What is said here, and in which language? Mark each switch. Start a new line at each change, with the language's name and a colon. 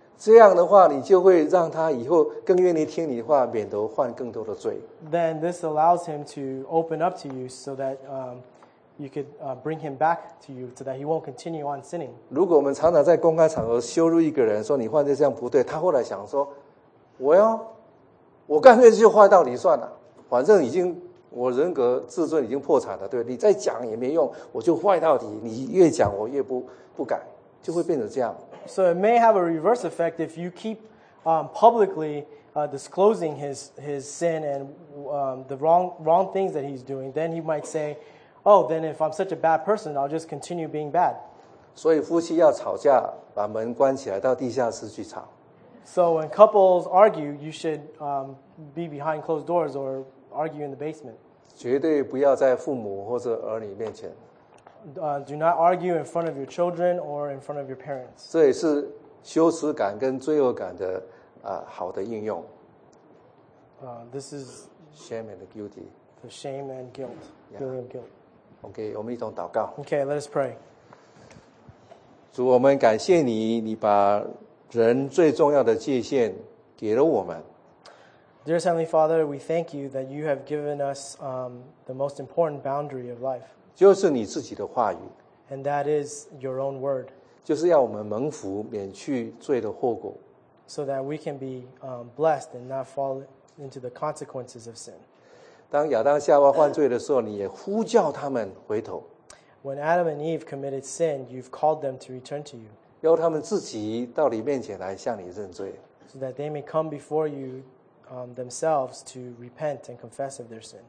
Chinese: 这样的话，你就会让他以后更愿意听你的话，免得犯更多的罪。
English: Then this allows him to open up to you so that you could bring him back to you so that he won't continue on sinning.
Chinese: 如果我们常常在公开场合羞辱一个人，说你犯罪这样不对，他后来想说。我干脆就坏到你算了，反正已经我人格自尊已经破产了，对你再讲也没用，我就坏到底，你越讲我越不改，就会变成这样。
English: So it may have a reverse effect if you keep publicly disclosing his sin and the wrong things that he's doing, then he might say, oh, then if I'm such a bad person, I'll just continue being bad.
Chinese: 所以夫妻要吵架，把门关起来，到地下室去吵。
English: So when couples argue, you should be behind closed doors or argue in the basement.
Chinese: 绝对不要在父母或者儿女面前。
English: Do not argue in front of your children or in front of your parents.
Chinese: 这也是羞耻感跟罪恶感的好的应用。
English: This is shame and guilty. The shame and guilt, feeling of guilt.
Chinese: Okay, 我们一同祷告。
English: Okay, let us pray.
Chinese: 主，我们感谢你，你把人最重要的界限给了我们。
English: Dear Heavenly Father, we thank you that you have given us the most important boundary of life.
Chinese: 就是你自己的话语。
English: And that is your own word.
Chinese: 就是要我们蒙福，免去罪的后果。
English: So that we can be blessed and not fall into the consequences of sin.
Chinese: 当亚当夏娃犯罪的时候，你也呼叫他们回头。
English: When Adam and Eve committed sin, you've called them to return to you.
Chinese: 要他们自己到你面前来向你认罪
English: ，so that they may come before you themselves to repent and confess of their sins.